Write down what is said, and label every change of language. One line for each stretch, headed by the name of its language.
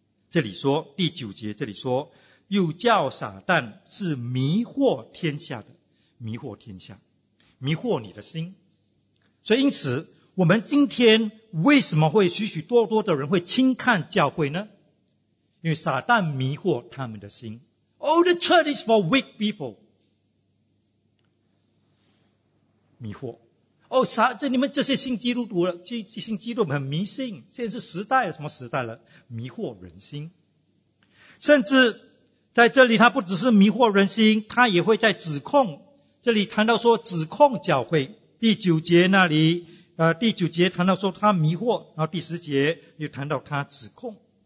Chinese: 这里说第九节，这里说又叫撒旦是迷惑天下的，迷惑天下，迷惑你的心。所以因此我们今天为什么会许许多多的人会轻看教会呢？因为撒旦迷惑他们的心。
English: Oh, the church is for weak people.
Chinese: 迷惑。你们这些信基督徒了，信基督很迷信，现在是时代了，什么时代了？迷惑人心。甚至在这里他不只是迷惑人心，他也会在指控，这里谈到说指控教会，第九节那里第九节谈到说他迷惑，然后第十节又谈到他指控。